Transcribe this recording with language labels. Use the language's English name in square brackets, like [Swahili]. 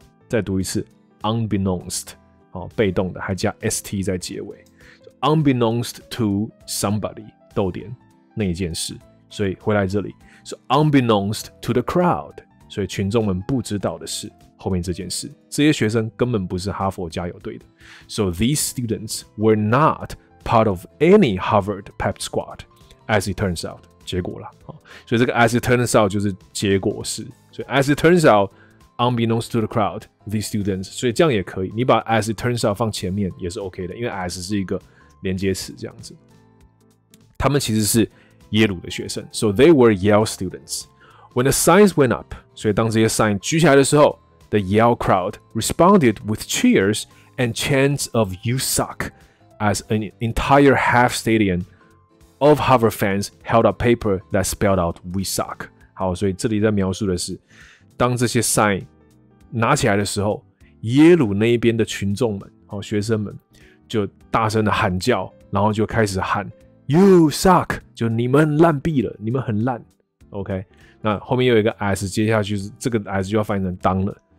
[Chinese] 再读一次 ，unbeknownst， 好，被动的还加 st 在结尾 ，unbeknownst to somebody， 逗点那一件事。所以回来这里是 [English] unbeknownst to the crowd， [Chinese] 所以群众们不知道的是。后面这件事，这些学生根本不是哈佛加油队的。 [English] So these students were not part of any Harvard pep squad, as it turns out. [Chinese] 结果啦、哦、所以这个 [English] as it turns out [Chinese] 就是结果式。所以 [English] as it turns out, unbeknownst to the crowd, these students. [Chinese] 所以这样也可以，你把 [English] as it turns out [Chinese] 放前面也是 OK 的，因为 as 是一个连接词这样子。他们其实是耶鲁的学生。 [English] So they were Yale students. When the signs went up, [Chinese] 所以当这些 sign 举起来的时候， [English] The Yale crowd responded with cheers and chants of "You suck," as an entire half stadium of Harvard fans held a paper that spelled out "We suck." [Chinese] 好，所以这里在描述的是，当这些 sign 拿起来的时候，耶鲁那一边的群众们，好学生们，就大声的喊叫，然后就开始喊 [English] "You suck," [Chinese] 就你们烂毙了，你们很烂。 OK， 那后面又有一个 s， 接下去是这个 s 就要翻译成当了。